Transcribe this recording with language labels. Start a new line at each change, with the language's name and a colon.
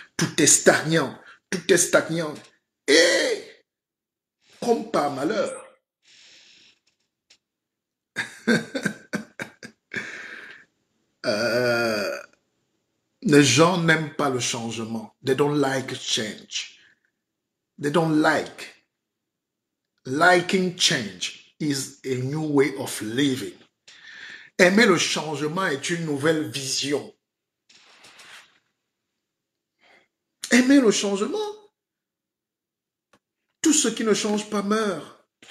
French: Tout est stagnant. Tout est stagnant. Et, comme par malheur, les gens n'aiment pas le changement.
English: They don't like change. They don't like. Liking change is a new way of living.
French: Aimer le changement est une nouvelle vision. Aimer le changement. Tout ce qui ne change pas meurt.